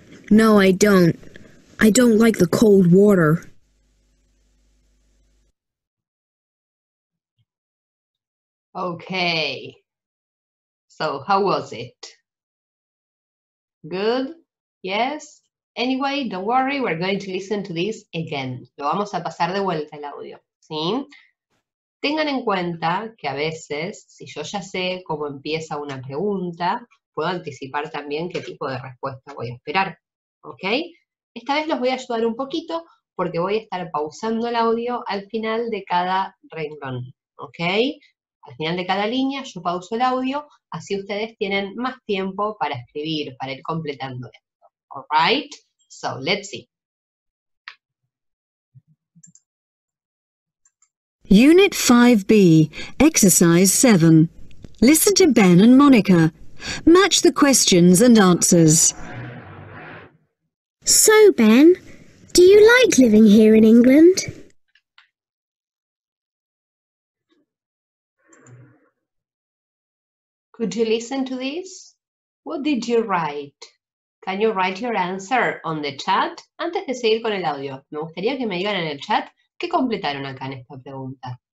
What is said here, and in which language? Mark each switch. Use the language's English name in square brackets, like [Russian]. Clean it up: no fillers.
[English] No, I don't. I don't like the cold water. Okay. So, how was it? Good? Yes? Anyway, don't worry, we're going to listen to this again. [Spanish] Lo vamos a pasar de vuelta el audio. ¿Sí? Tengan en cuenta que a veces, si yo ya sé cómo empieza una pregunta, puedo anticipar también qué tipo de respuesta voy a esperar, ¿ok? Esta vez los voy a ayudar un poquito porque voy a estar pausando el audio al final de cada renglón, ¿ok? Al final de cada línea yo pauso el audio, así ustedes tienen más tiempo para escribir, para ir completando esto. [English] All right? So, let's see. Unit 5B, Exercise 7. Listen to Ben and Monica. Match the questions and answers. So, Ben, do you like living here in England? Could you listen to this? What did you write? Can you write your answer on the chat? [Spanish] Antes de seguir con el audio, me gustaría que me digan en el chat ¿qué completaron acá en esta pregunta?